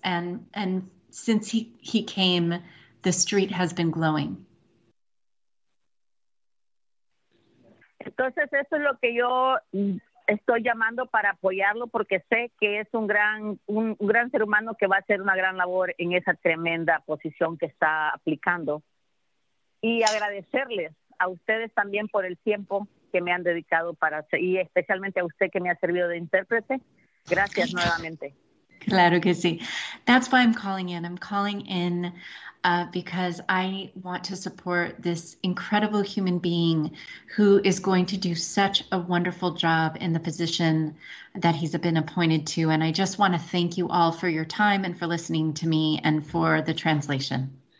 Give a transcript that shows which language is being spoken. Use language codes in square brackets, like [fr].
[en] And since he came, the street has been glowing. [es] Entonces, eso es lo que yo estoy llamando para apoyarlo porque sé que es un gran ser humano que va a hacer una gran labor en esa tremenda posición que está aplicando. Y agradecerles a ustedes también por el tiempo que me han dedicado para y especialmente a usted que me ha servido de intérprete. Gracias nuevamente. Claro que sí. [en] That's why I'm calling in. I'm calling in because I want to support this incredible human being who is going to do such a wonderful job in the position that he's been appointed to. And I just want to thank you all for your time and for listening to me and for the translation.